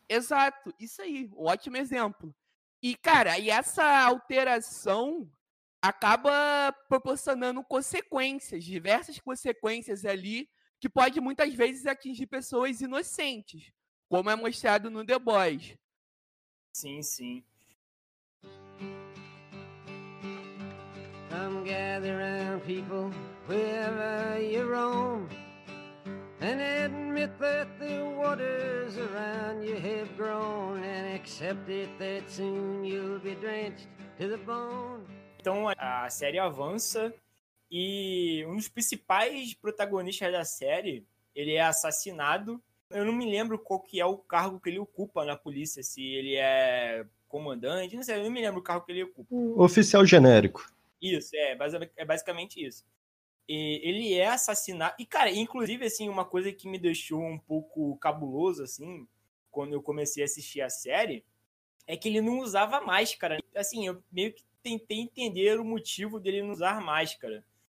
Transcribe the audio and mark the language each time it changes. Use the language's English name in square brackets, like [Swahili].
[Portuguese] Exato, isso aí, um ótimo exemplo. E, cara, e essa alteração acaba proporcionando consequências, diversas consequências ali, que pode muitas vezes atingir pessoas inocentes, como é mostrado no The Boys. Sim, sim. [English] Come gather around, people, wherever you roam, and admit that the waters around you have grown, and accept it that soon you'll be drenched to the bone. [Portuguese] Então a série avança. E um dos principais protagonistas da série, ele é assassinado. Eu não me lembro qual que é o cargo que ele ocupa na polícia, se ele é comandante, não sei, eu não me lembro o cargo que ele ocupa. Oficial genérico. Isso, é basicamente isso. E ele é assassinado, e cara, inclusive assim, uma coisa que me deixou um pouco cabuloso assim, quando eu comecei a assistir a série, é que ele não usava máscara, assim, eu meio que tentei entender o motivo dele não usar máscara.